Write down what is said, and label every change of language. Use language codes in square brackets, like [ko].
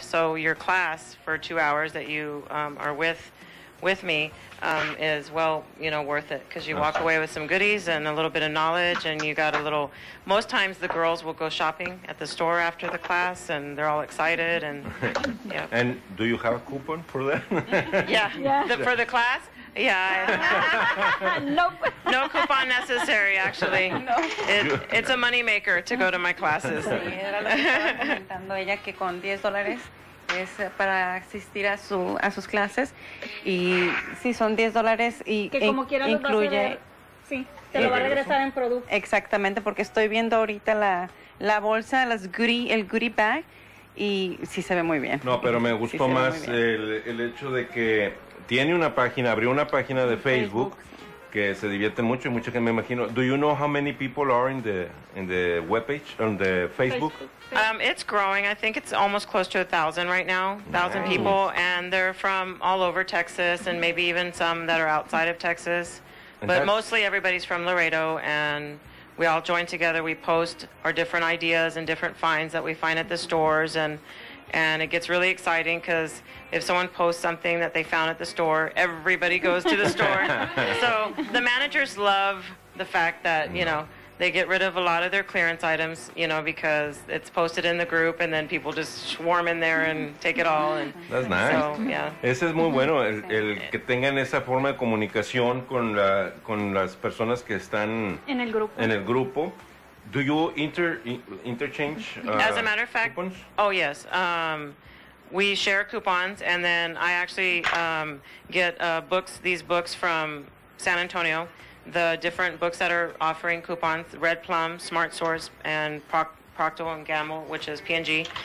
[en] So your class for 2 hours that you are with me is, well, you know, worth it, because you walk away with some goodies and a little bit of knowledge, and you got a little, most times the girls will go shopping at the store after the class, and they're all excited, and yeah. And do you have a coupon for that? Yeah. For the class? Yeah. Nope. No coupon necessary, actually. No. It's a money maker to go to my classes. [es] Sí, era lo que estaba comentando ella, que con $10 es para asistir a sus clases. Y sí, son $10 y que como quiera incluye, lo va a ceder, sí, te lo va a regresar en producto. Exactamente, porque estoy viendo ahorita la bolsa, el goodie bag, y sí se ve muy bien. No, pero me gustó sí más el hecho de que tiene una página, abrió una página de Facebook. Que se divierte mucho, y mucha gente, me imagino. [en] Do you know how many people are in the webpage, on the Facebook? It's growing. I think it's almost close to 1,000 right now, 1,000 people, and they're from all over Texas, and maybe even some that are outside of Texas. But mostly everybody's from Laredo, and we all join together. We post our different ideas and different finds that we find at the stores, and it gets really exciting, because if someone posts something that they found at the store, everybody goes to the store. So the managers love the fact that, you know, they get rid of a lot of their clearance items, you know, because it's posted in the group, and then people just swarm in there and take it all. That's nice. So, yeah. [es] Ese es muy bueno, el que tengan esa forma de comunicación con las personas que están en el grupo. En el grupo. [en] Do you interchange coupons? As a matter of fact, oh yes, we share coupons, and then I actually get these books from San Antonio, the different books that are offering coupons, Red Plum, Smart Source, and Procter & Gamble, which is P&G.